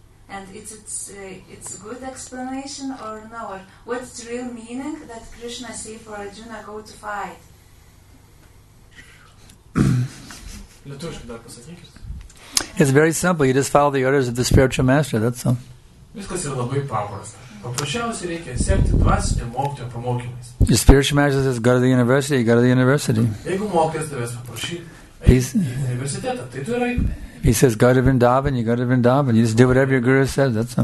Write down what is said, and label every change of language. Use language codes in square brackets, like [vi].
[en] And it's a good explanation or no? What's the real meaning that Krishna say for Arjuna go to fight? It's very simple. You just follow the orders of the spiritual master. That's all. [lt] Viskas yra labai paprasta. Paprasčiausiai reikia sekti dvasinio mokytojo pamokymais. [en] The spiritual master says, go to the university, go to the university. [lt] Jeigu mokytojas tavęs paprašy, eik į universitetą, tai tu yra... [en] He says, go to Vrindavan, you go to Vrindavan. You just do whatever your guru says, that's all.